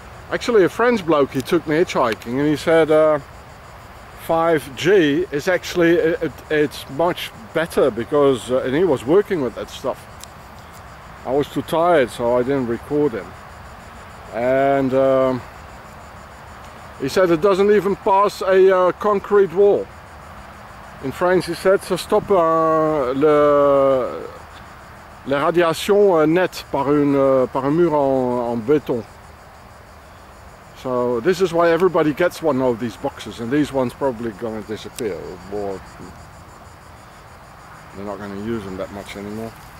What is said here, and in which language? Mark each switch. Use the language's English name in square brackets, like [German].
[English] Actually, a friend's bloke, he took me hitchhiking and he said 5G is actually, it's much better because, and he was working with that stuff. I was too tired, so I didn't record him. And he said it doesn't even pass a concrete wall. In France, he said, [French] ça stoppe la radiation net par un mur en béton. [English] So this is why everybody gets one of these boxes, and these ones probably going to disappear. Or they're not going to use them that much anymore.